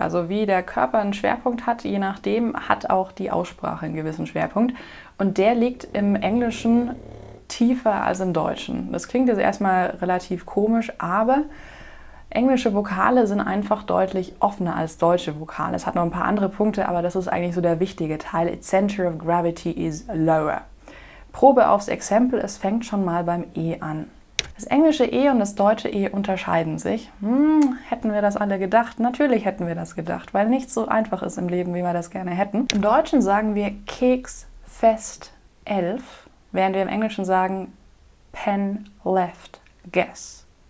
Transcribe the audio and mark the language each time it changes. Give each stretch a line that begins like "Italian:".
German: Also wie der Körper einen Schwerpunkt hat, je nachdem hat auch die Aussprache einen gewissen Schwerpunkt. Und der liegt im Englischen tiefer als im Deutschen. Das klingt jetzt erstmal relativ komisch, aber Englische Vokale sind einfach deutlich offener als deutsche Vokale. Es hat noch ein paar andere Punkte, aber das ist eigentlich so der wichtige Teil.
English: Its center of gravity is lower.
German: Probe aufs Exempel, es fängt schon mal beim E an. Das englische E und das deutsche E unterscheiden sich. Hätten wir das alle gedacht? Natürlich hätten wir das gedacht, weil nichts so einfach ist im Leben, wie wir das gerne hätten. Im Deutschen sagen wir Keks fest 11, während wir im Englischen sagen Pen left guess.